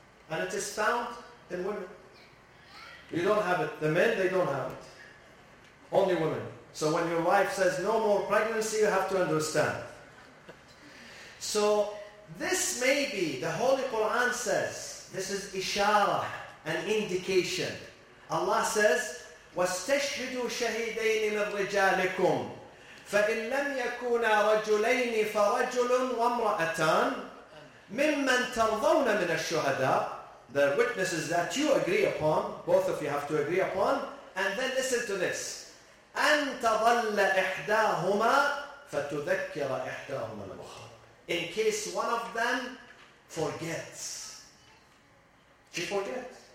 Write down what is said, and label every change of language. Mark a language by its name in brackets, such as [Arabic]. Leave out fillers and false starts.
[English] And it is found in women. You don't have it. The men, they don't have it. Only women. So when your wife says no more pregnancy, you have to understand. So this may be, the Holy Quran says, this is ishara, an indication. Allah says, [Arabic] وَاسْتَشْهِدُوا شَهِدَيْنِ مِنْ رِجَالِكُمْ فَإِنْ لَمْ يَكُونَا رَجُلَيْنِ فَرَجُلٌ وَامْرَأَتَانِ مِمَّنْ تَرْضَوْنَ مِنَ الشُّهَدَاءِ. [English] The witnesses that you agree upon, both of you have to agree upon, and then listen to this. [Arabic] أَن تَضَلَّ إِحْدَاهُمَا فَتُذَكِّرَ إِحْدَاهُمَا الْأُخْرَى. [English] In case one of them forgets. She forgets.